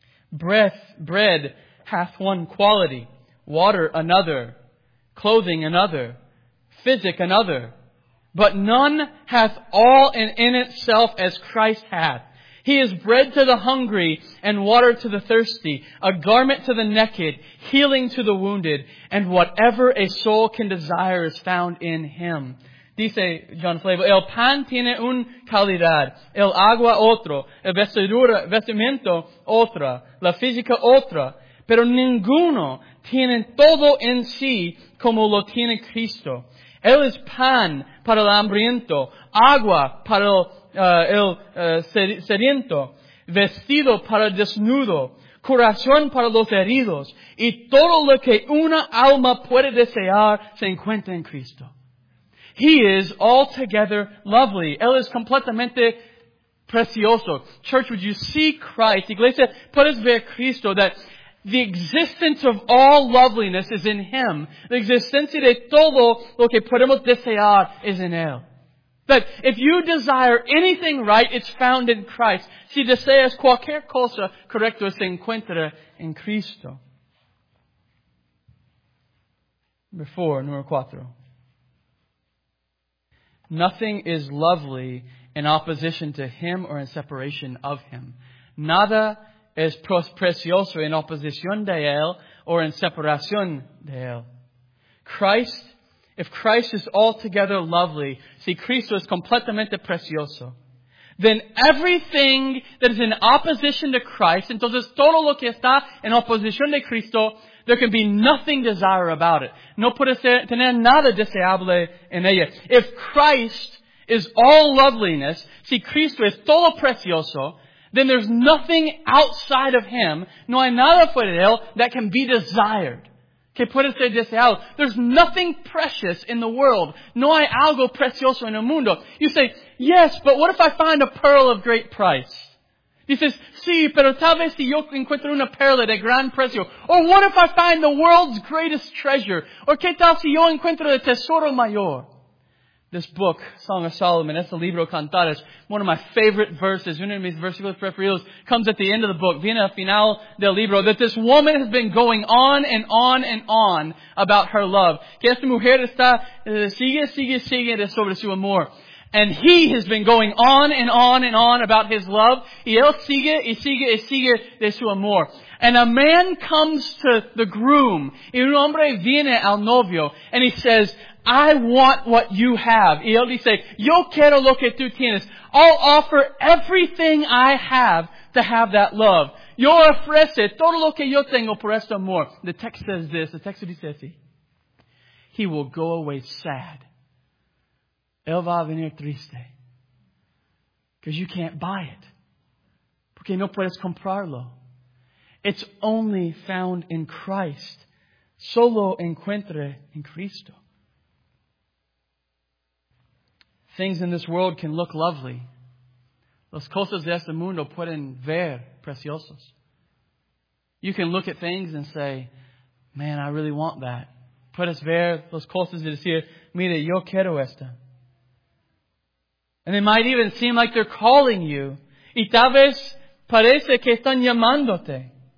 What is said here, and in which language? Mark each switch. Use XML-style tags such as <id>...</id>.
<en>Bread hath one quality, water another, clothing another, physic another, but none hath all in itself as Christ hath. He is bread to the hungry and water to the thirsty, a garment to the naked, healing to the wounded, and whatever a soul can desire is found in Him.</en> <es>Dice John Flavel, el pan tiene un calidad, el agua otro, el vestimiento otra, la física otra, pero ninguno tiene todo en sí como lo tiene Cristo. Él es pan para el hambriento, agua para el sediento, vestido para el desnudo, curación para los heridos, y todo lo que una alma puede desear se encuentra en Cristo.</es> <en>He is altogether lovely.</en> <es>Él es completamente precioso.</es> <en>Church, would you see Christ?</en> <es>Iglesia, puedes ver Cristo,</es> <en>that the existence of all loveliness is in Him.</en> <es>The existencia de todo lo que podemos desear is in Él.</es> <en>That if you desire anything right, it's found in Christ.</en> <es>Si deseas cualquier cosa correcto, se encuentra en Cristo.</es> <en>Number 4. Nothing is lovely in opposition to Him or in separation of Him.</en> <es>Nada es precioso en oposición de Él or in separación de Él.</es> <en>Christ, if Christ is altogether lovely, see,</en> <es>Cristo es completamente precioso,</es> <en>then everything that is in opposition to Christ,</en> <es>entonces todo lo que está en oposición de Cristo,</es> <en>there can be nothing desire about it.</en> <es>No puede ser, tener nada deseable en ella.</es> <en>If Christ is all loveliness, see,</en> <es>Cristo es todo precioso,</es> <en>then there's nothing outside of Him,</en> <es>no hay nada fuera de Él,</es> <en>that can be desired.</en> <es>Que puede ser deseado.</es> <en>There's nothing precious in the world.</en> <es>No hay algo precioso en el mundo.</es> <en>You say, yes, but what if I find a pearl of great price? He says,</en> <es>sí, pero tal vez si yo encuentro una perla de gran precio.</es> <en>Or what if I find the world's greatest treasure?</en> <es>Or qué tal si yo encuentro el tesoro mayor?</es> <en>This book, Song of Solomon,</en> <es>es el libro Cantares,</es> <en>one of my favorite verses,</en> <es>uno de mis versículos preferidos,</es> <en>comes at the end of the book,</en> <es>viene al final del libro,</es> <en>that this woman has been going on and on and on about her love.</en> <es>Que esta mujer está, sigue sobre su amor.</es> <en>And he has been going on and on and on about his love.</en> <es>Y él sigue, y sigue, y sigue de su amor.</es> <en>And a man comes to the groom,</en> <es>y un hombre viene al novio,</es> <en>and he says, I want what you have.</en> <es>Y él dice, yo quiero lo que tú tienes.</es> <en>I'll offer everything I have to have that love.</en> <es>Yo ofrece todo lo que yo tengo por este amor.</es> <en>The text says this. The text dice así. He will go away sad.</en> <es>Él va a venir triste.</es> <en>Because you can't buy it.</en> <es>Porque no puedes comprarlo.</es> <en>It's only found in Christ.</en> <es>Solo encuentre en Cristo.</es> <en>Things in this world can look lovely.</en> <es>Las cosas de este mundo pueden ver preciosos.</es> <en>You can look at things and say, man, I really want that.</en> <es>Puedes ver las cosas y decir, mira, yo quiero esta.</es> <en>And it might even seem like they're calling you.</en> <es>Y tal vez parece que están llamándote.</es>